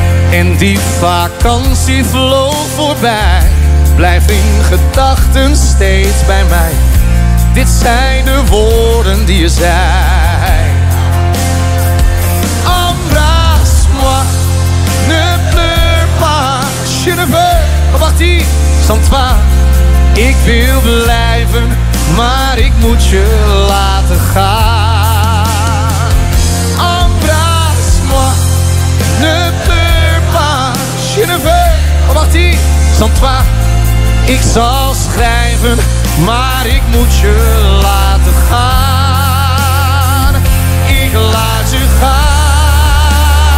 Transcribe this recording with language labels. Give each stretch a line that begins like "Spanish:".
Dutch: En die vakantie vloog voorbij. Blijf in gedachten steeds bij mij. Dit zijn de woorden die je zei.
French: Embrasse-moi, ne pleure pas, je ne veux pas partir sans toi.
Dutch: Ik wil blijven, maar ik moet je laten gaan.
French: Embrasse-moi, ne pleure pas, je ne veux pas partir sans toi.
Dutch: Ik zal schrijven, maar ik moet je laten gaan. Ik laat je gaan.